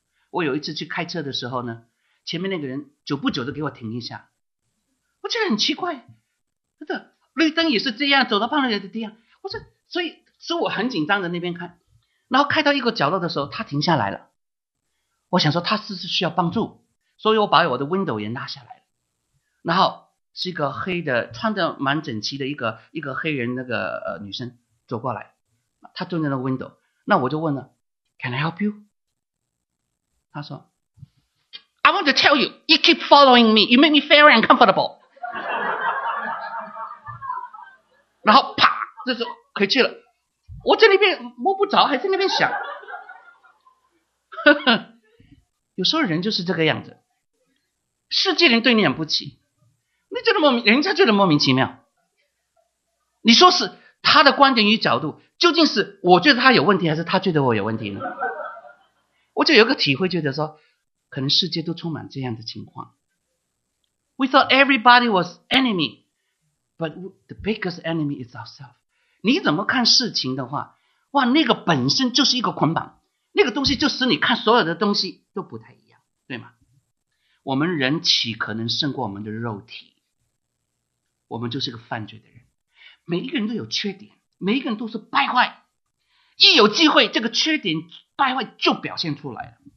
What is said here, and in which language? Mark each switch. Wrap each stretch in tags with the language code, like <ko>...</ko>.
<zh>我有一次去开车的时候呢，前面那个人久不久的给我停一下，我觉得很奇怪，这绿灯也是这样，走到旁边的地方，我说，所以我很紧张的那边看，然后开到一个角落的时候，他停下来了，我想说他是不是需要帮助，所以我把我的 window 也拉下来了，然后是一个黑的，穿的蛮整齐的一个黑人那个女生走过来，她蹲在那个 window。那我就问了</zh> <en>，Can I help you？</en> <zh>他说</zh> <en>，I want to tell you, you keep following me, you make me very uncomfortable。</en> <zh>然后啪，就是回去了。我在那边摸不着，还在那边想。有时候人就是这个样子，世界人对你很不起，你觉得莫名，人家觉得莫名其妙。你说是他的观点与角度。究竟是我觉得他有问题，还是他觉得我有问题呢？我就有个体会，觉得说可能世界都充满这样的情况。</zh> <en>We thought everybody was enemy, but the biggest enemy is ourselves.</en> <zh>你怎么看事情的话，哇，那个本身就是一个捆绑，那个东西就使你看所有的东西都不太一样，对吗？我们人岂可能胜过我们的肉体？我们就是个犯罪的人，每一个人都有缺点，每一个人都是败坏，一有机会这个缺点败坏就表现出来了。</zh>